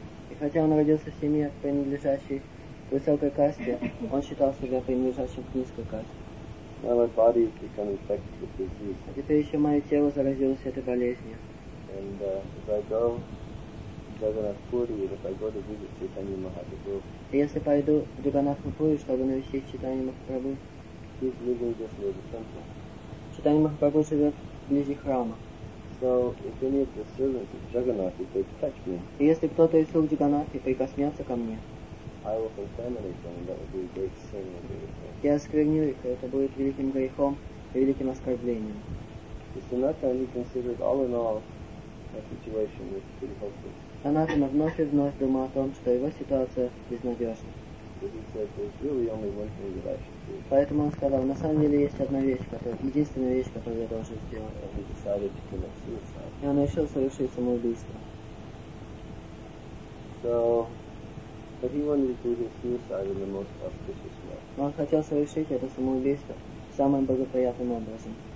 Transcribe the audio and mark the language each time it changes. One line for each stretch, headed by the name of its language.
Russian: И хотя он родился в семье, принадлежащей в высокой касте, он считал себя принадлежащим к низкой касте.
English: Now my body has become infected with disease.
Russian: А теперь еще мое тело заразилось этой болезнью.
English: And if I go Jagannath Puri, if I go to visit Chaitanya Mahaprabhu.
Russian: И если пойду в Джаганнатху Пури, чтобы навестить Чайтанью Махапрабху.
English: He's living just near the temple.
Russian: Чайтанья Махапрабху живет вблизи храма.
English: So if any of the servants of Jagannath, if they touch me.
Russian: И если кто-то из слуг Джаганнатхи прикоснется ко мне.
English: I will contaminate them, that would be a great sin.
Russian: Я осквернил их, это будет великим грехом и великим оскорблением.
English: The Sanatana considered all in all a situation which is pretty hopeless.
Russian: Sanatana вновь и вновь думал о том, что его ситуация безнадежна.
English: But he said, there's really only one thing that I should do.
Russian: Поэтому он сказал, на самом деле есть одна вещь, которая, единственная вещь, которую я должен сделать.
English: And he decided to commit suicide.
Russian: И он решил совершить самоубийство.
English: So, but he wanted to do his suicide in the most auspicious way.
Russian: Но он хотел совершить это самоубийство самым благоприятным образом.